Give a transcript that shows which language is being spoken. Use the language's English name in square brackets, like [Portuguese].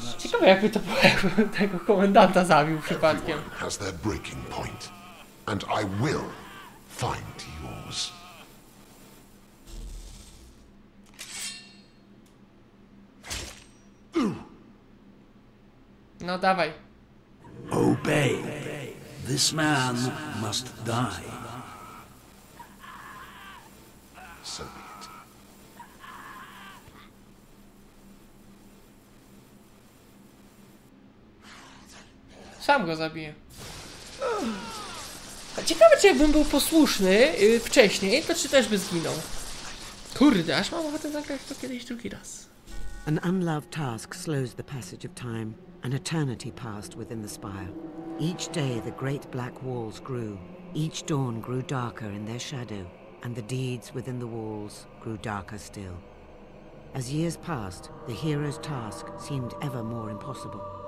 [Polish] Ciekawe, jakby to było, jakbym tego komendanta zabił przypadkiem. [English] Everyone has their breaking point, and I will find yours. [Polish] No dawaj. [English] Obey. This man must die. [Polish] Sam go zabiję. Ciekawe, czy jakbym był posłuszny wcześniej, to czy też by zginął. Kurde, aż mam ochotę zagrać to kiedyś drugi raz. [English] An unloved task slows the passage of time. An eternity passed within the spire. Each day the great black walls grew. Each dawn grew darker in their shadow. And the deeds within the walls grew darker still. As years passed, the hero's task seemed ever more impossible.